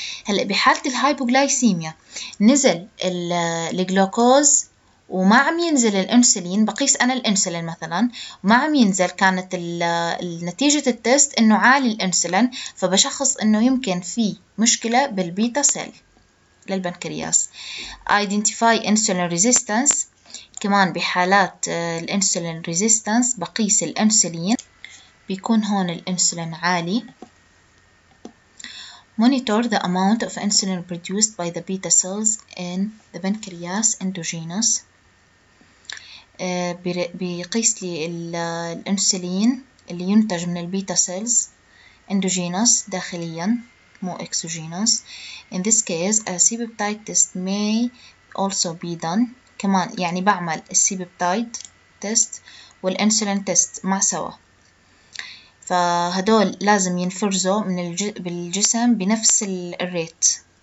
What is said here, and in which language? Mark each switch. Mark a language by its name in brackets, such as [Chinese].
[Arabic] هلا بحاله الهايبوغلايسيميا نزل الجلوكوز وما عم ينزل الانسولين، بقيس انا الانسولين مثلا وما عم ينزل، كانت نتيجه التست انه عالي الانسولين، فبشخص انه يمكن في مشكله بالبيتا سيل للبنكرياس. ايدنتيفاي انسولين ريزيستنس، كمان بحالات الانسولين ريزيستنس بقيس الانسولين، بيكون هون الانسولين عالي. [English] Monitor the amount of insulin produced by the beta cells in the pancreas endogenous. [Arabic] بيقيس لي الانسولين اللي ينتج من البيتا سيلز endogenous داخليا مو exogenous. [English] In this case a C-peptide test may also be done. [Arabic] كمان يعني بعمل C-peptide test والانسولين test مع سوا، فهدول لازم ينفرزوا من بالجسم بنفس الريت.